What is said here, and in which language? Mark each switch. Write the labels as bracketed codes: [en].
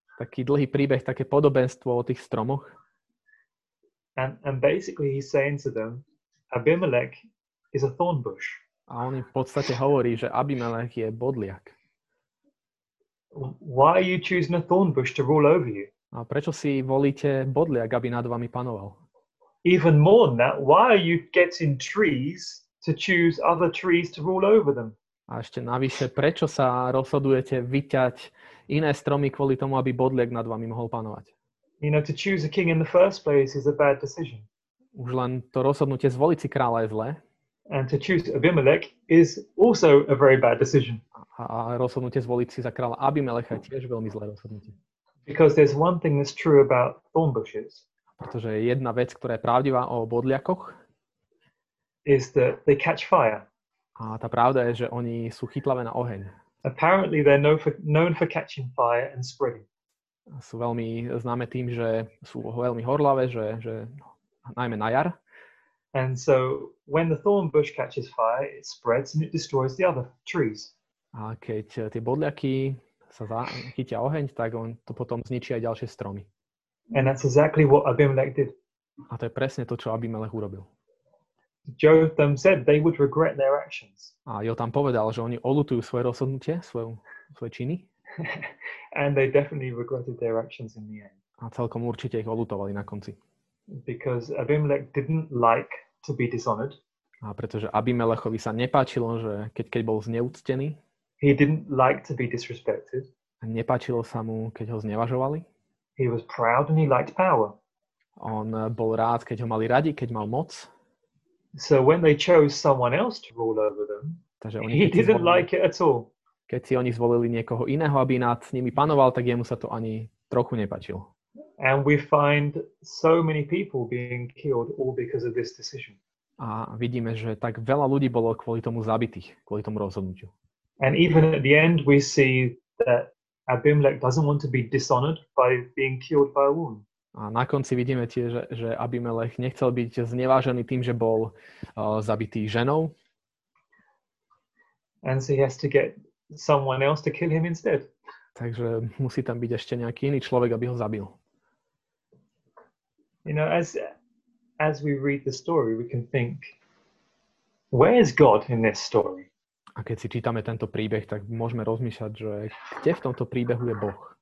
[sk] Taký dlhý príbeh, také podobenstvo o tých stromoch. [en] And basically he's saying to them, Abimelech is a thorn bush. [sk] A on im v podstate hovorí, že Abimelech je bodliak. [en] Why are you choosing a thorn bush to rule over you? [sk] A prečo si volíte bodliak, aby nad vami panoval? [en] Even more than that, why are you getting trees to choose other trees to rule over them? [sk] A ešte navyše, prečo sa rozhodujete vyťať iné stromy kvôli tomu, aby bodliak nad vami mohol panovať? [en] You know, to choose a king in the first place is a bad decision. [sk] Už len to rozhodnutie zvoliť si kráľa je zlé. [en] And to choose Abimelech is also a very bad decision. [sk] A rozhodnutie zvoliť si za kráľa Abimelecha je tiež veľmi zlé rozhodnutie. [en] Because there's one thing that's true about thorn bushes. [sk] Pretože je jedna vec, ktorá je pravdivá o bodliakoch. [en] Is that they catch fire. [sk] A tá pravda je, že oni sú chytlavé na oheň. [en] Apparently they're known for catching fire and spreading. [sk] Sú veľmi známe tým, že sú veľmi horľavé, že najmä na jar. [en] And so when the thorn bush catches fire, it spreads and it destroys the other trees. [sk] A keď tie bodliaky sa chytia oheň, tak on to potom zničí aj ďalšie stromy. [en] And that's exactly what Abimelech did. [sk] A to je presne to, čo Abimelech urobil. [en] Jotham said they would regret their actions. [sk] A Jotham povedal, že oni oľutujú svoje rozhodnutie, svoje činy. [en] And they definitely regretted their actions in the end. [sk] A celkom určite ich oľutovali na konci. [en] Because Abimelech didn't like to be dishonored. [sk] A pretože Abimelechovi sa nepáčilo, že keď bol zneúctený, [en] he didn't like to be disrespected. [sk] Nepáčilo sa mu, keď ho znevažovali. [en] He was proud and he liked power. [sk] On bol rád, keď ho mali radi, keď mal moc. [en] So when they chose someone else to rule over them, [sk] takže oni, [en] he didn't like it at all. [sk] Keď si oni zvolili niekoho iného, aby nad nimi panoval, tak jemu sa to ani trochu nepáčilo. [en] And we find so many people being killed all because of this decision. [sk] A vidíme, že tak veľa ľudí bolo kvôli tomu zabitých, kvôli tomu rozhodnutiu. [en] And even at the end we see that Abimelech doesn't want to be dishonored by being killed by a woman. [sk] A na konci vidíme tiež, že Abimelech nechcel byť znevážený tým, že bol zabitý ženou. [en] And so he has to get someone else to kill him instead. [sk] Takže musí tam byť ešte nejaký iný človek, aby ho zabil. [en] You know, as we read the story, we can think, where is God in this story? [sk] A keď si čítame tento príbeh, tak môžeme rozmýšľať, že kde v tomto príbehu je Boh.